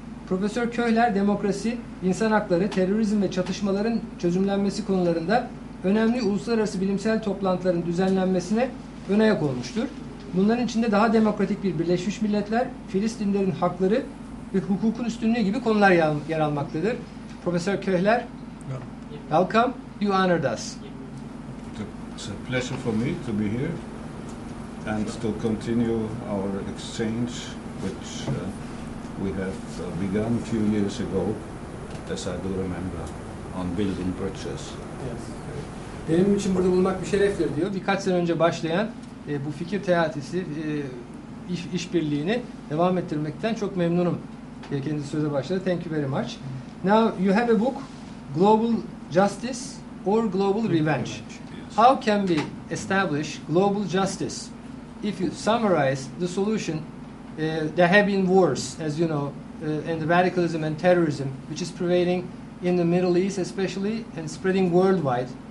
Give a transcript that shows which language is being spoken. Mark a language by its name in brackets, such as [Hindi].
[Turkish] Profesör Köhler, demokrasi, insan hakları, terörizm ve çatışmaların çözümlenmesi konularında önemli uluslararası bilimsel toplantıların düzenlenmesine ön ayak olmuştur. Bunların içinde daha demokratik bir Birleşmiş Milletler, Filistinlerin hakları ve hukukun üstünlüğü gibi konular yer almaktadır. [English] Profesör Köhler, welcome, you honored us. It's a pleasure for me to be here and to continue our exchange, which we have begun a few years ago, as I do remember, on building bridges. Yes. [Turkish] Benim için burada bulunmak bir şereftir diyor. Birkaç sene önce başlayan bu fikir teatisi işbirliğini devam ettirmekten çok memnunum. Kendisi söze başladı. [English] Thank you very much. Now you have a book, Global Justice or Global Revenge. How can we establish global justice? If you summarize the solution, there have been wars, as you know, and the radicalism and terrorism, which is prevailing in the Middle East especially and spreading worldwide.